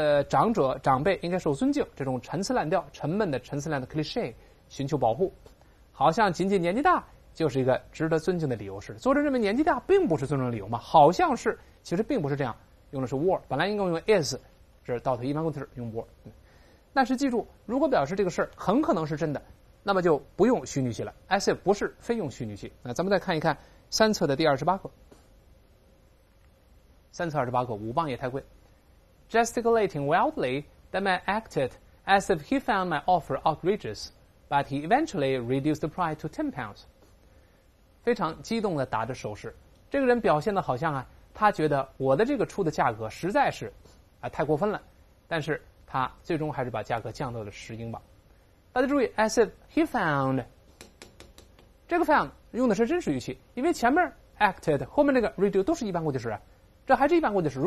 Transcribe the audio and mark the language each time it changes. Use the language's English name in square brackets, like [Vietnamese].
[Chinese] 长者长辈应该受尊敬这种陈词滥调沉闷的陈词滥的 cliché 寻求保护，好像仅仅年纪大就是一个值得尊敬的理由是，作者认为年纪大并不是尊重的理由嘛，好像是，其实并不是这样，用的是 were, 本来应该用 is, 这倒退一般过去式用 were、但是记住，如果表示这个事很可能是真的，那么就不用虚拟器了， as if 不是非用虚拟器。那咱们再看一看三册的第28课，三册28课五磅也太贵。 [English] Gesticulating wildly, the man acted as if he found my offer outrageous, but he eventually reduced the price to 10 pounds. [Chinese] 非常激动地打着手势，这个人表现得好像啊，他觉得我的这个出的价格实在是啊太过分了，但是他最终还是把价格降到了10英镑。大家注意 ， [English] as if he found, [Chinese] 这个 found 用的是真实语气，因为前面 acted 后面那个 reduce 都是一般过去式，这还是一般过去式。